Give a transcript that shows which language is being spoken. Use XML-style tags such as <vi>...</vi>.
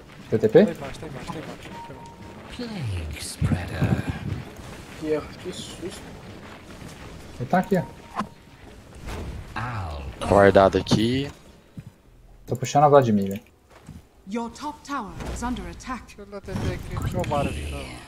<pt>TTP? Tá embaixo, tá embaixo, tá embaixo. Plague Spreader. Que susto. Ele tá aqui, ó. Guardado aqui. Tô puxando a Vladimir, velho.</pt> <en>Your top tower is under attack.</en> <pt>Deixa eu dar TP aqui, deixa eu roubar ali.</pt>